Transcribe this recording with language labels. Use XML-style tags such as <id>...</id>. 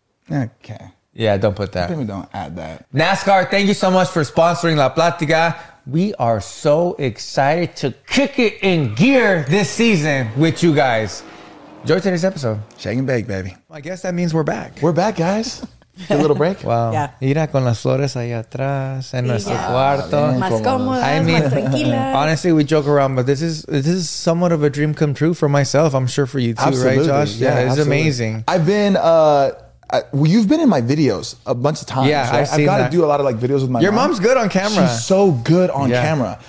<en>Okay. Yeah, don't put that. Maybe don't add that. NASCAR, thank you so much for sponsoring La Platica. We are so excited to kick it in gear this season with you guys. Enjoy today's episode. Shake and bake, baby. Well, I guess that means we're back. We're back, guys. A little break. Wow. Yeah.</en> <es>Mira con las flores ahí atrás en nuestro cuarto. Más cómodas,</es> <en>I mean, honestly, we joke around, but this is somewhat of a dream come true for myself. I'm sure for you too, absolutely. Right, Josh? Yeah, yeah, it's amazing. I've been... you've been in my videos a bunch of times. Yeah, right? I've got to do a lot of like videos with my Your mom. Your mom's good on camera. She's so good on camera.</en>